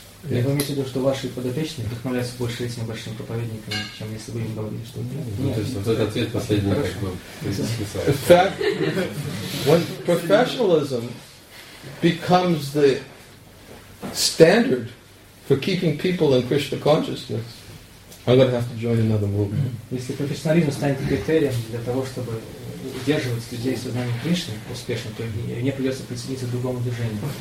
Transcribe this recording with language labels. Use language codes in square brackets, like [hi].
[ru] Я имею в виду, что ваши подопечные вдохновляются больше этими большими проповедниками, чем если бы им говорили, что... Ну, то есть вот этот ответ последний, как бы, писал. [en] In fact, when professionalism becomes the standard for keeping people in Krishna consciousness, I'm going to have to join another movement. [ru] Если профессионализм станет критерием для того, чтобы удерживать людей в сознании Кришны успешно, то мне придется присоединиться к другому движению.